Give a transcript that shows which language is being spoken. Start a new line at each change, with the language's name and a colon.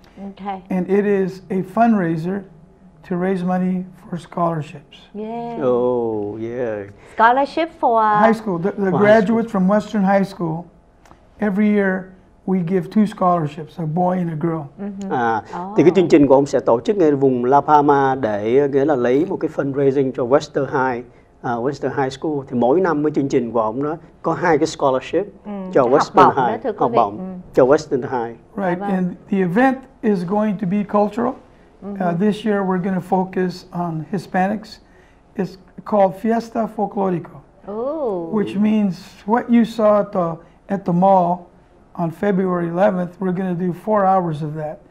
English: Okay. And it is a fundraiser to raise money for scholarships. Yeah. Oh, yeah. Scholarship for? High school. The graduates from Western High School. Every year we give 2 scholarships, a boy and a girl.
Vietnamese: Thì cái chương trình của ông sẽ tổ chức ngay vùng La Palma để nghĩa là lấy một cái fundraising cho Western High, Western High School. Thì mỗi năm với chương trình của ông đó có 2 cái scholarship cho Western High, học bổng cho Western High.
English: Right, and the event is going to be cultural. This year we're going to focus on Hispanics. It's called Fiesta Folclórico, which means what you saw at the mall on February 11th, we're going to do 4 hours of that.